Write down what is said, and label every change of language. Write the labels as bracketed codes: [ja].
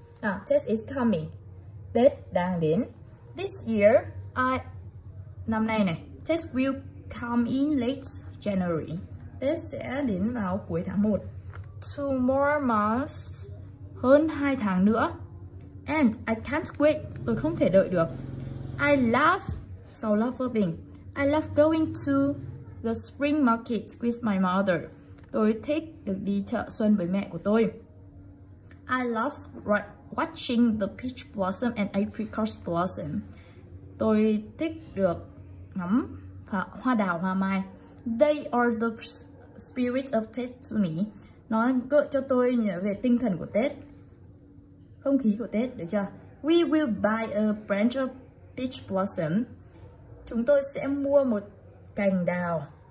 [en] À, Tết is coming. [vi] Tết đang đến. [en] This year I [vi] năm nay này, [en] Tết will come in late January. [vi] Tết sẽ đến vào cuối tháng 1. [en] Two more months, [vi] hơn 2 tháng nữa. [en] And I can't wait, [vi] tôi không thể đợi được. [en] I love, so love verbing. I love going to the spring market with my mother. [vi] Tôi thích được đi chợ xuân với mẹ của tôi. [en] I love watching the peach blossom and apricot blossom. [vi] Tôi thích được ngắm hoa đào hoa mai. [en] They are the spirit of Tết to me. [vi] Nó gợi cho tôi về tinh thần của Tết, không khí của Tết, được chưa? [en] We will buy a branch of peach blossom. [vi] Chúng tôi sẽ mua một cành đào.